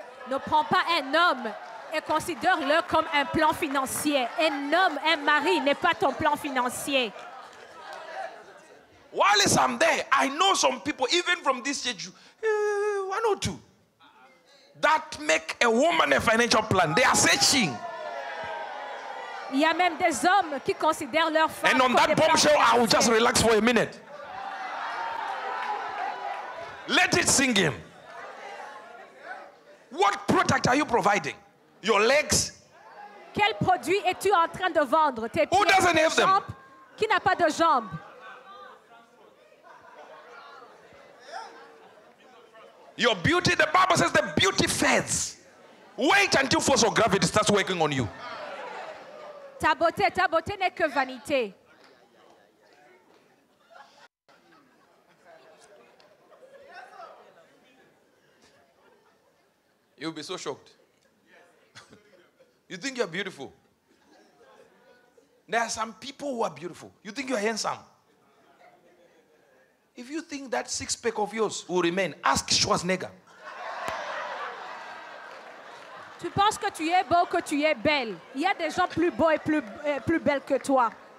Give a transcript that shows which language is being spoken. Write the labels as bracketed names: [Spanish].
[French] Ne prends pas un homme et considère-le comme un plan financier. Un homme, un mari n'est pas ton plan financier. [English] While I'm there, I know some people, even from this age, one or two, that make a woman a financial plan. They are searching. [French] Il y a même des hommes qui considèrent leur femme. [English] And on that bombshell, I will just relax for a minute. Let it sing in. What product are you providing? Your legs? [French] Quel produit es-tu en train de vendre? Tes pieds? [English] Who doesn't have them? [French] Qui n'a pas de jambes? [English] Your beauty, the Bible says the beauty fades. Wait until force of gravity starts working on you. [French] Ta beauté n'est que vanité. [English] You'll be so shocked. You think you're beautiful. There are some people who are beautiful. You think you're handsome. If you think that six-pack of yours will remain, ask Schwarzenegger. [French] Tu penses que tu es beau, que tu es belle. Il y a des gens plus beaux et plus belles que toi.